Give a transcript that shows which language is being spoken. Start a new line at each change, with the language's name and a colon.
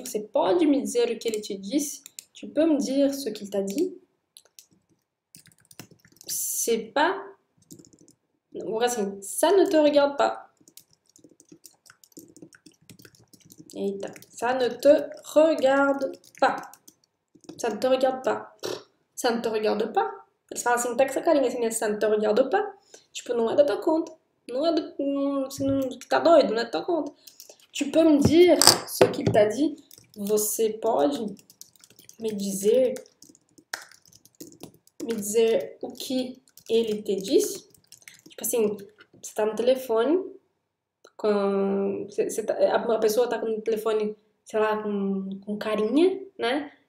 Portuguese: Você pode me dizer o que ele te disse?
French: Tu peux me dire ce qu'il t'a dit? C'est pas.
Portuguese: Ou assim,
French: ça ne te regarde pas. Eita, ça ne te regarde pas. Ça ne te regarde pas. Ça ne te regarde pas.
Portuguese: Eles falam assim, tá com essa carinha assim, né?
French: Ça ne te regarde pas.
Portuguese: Tipo, não é da tua conta. Não é do. Você não, tá doido, não é da tua conta.
French: Tu peux me dire ce qu'il t'a dit?
Portuguese: Você pode me dizer o que ele te disse? Tipo assim, você tá no telefone com uma pessoa tá com o telefone, sei lá, com carinha, né?